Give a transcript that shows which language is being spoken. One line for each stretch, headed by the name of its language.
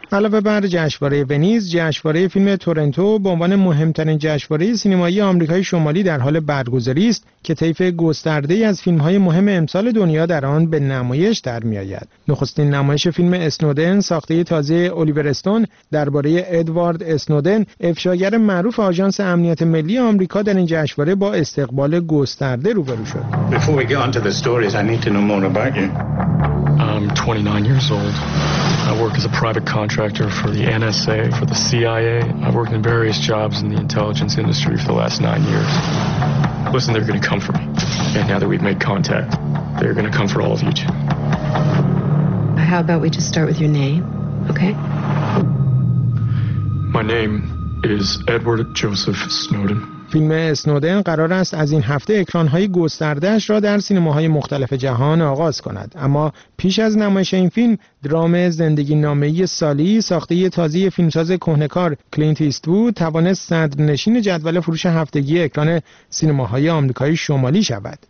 Persian: علاوه بر جشنواره ونیز، جشنواره فیلم تورنتو به عنوان مهمترین جشنواره سینمایی آمریکای شمالی در حال برگزاری است که طیف گسترده‌ای از فیلم‌های مهم امسال دنیا در آن به نمایش در می‌آید. نخستین نمایش فیلم اسنودن ساخته تازه الیور استون درباره ادوارد اسنودن، افشاگر معروف آژانس امنیت ملی آمریکا، در این جشنواره با استقبال گسترده روبرو شد.
English: Before we get on to the stories, I need to know more about you. I'm 29 years old. I work as a private contractor for the NSA, for the CIA. I've worked in various jobs in the intelligence industry for the last 9 years. Listen, they're going to come for me. And now that we've made contact, they're going to come for all of you, too. How about we just start with your name, okay? My name is Edward Joseph Snowden.
Persian: فیلم اسنودن قرار است از این هفته اکران‌های گسترده‌اش را در سینماهای مختلف جهان آغاز کند. اما پیش از نمایش این فیلم، درام زندگی نامه‌ای سالی ساخته یه تازه فیلمساز کهنه‌کار کلینت ایستوود توانست صدرنشین جدول فروش هفتگی اکران سینماهای آمریکای شمالی شود.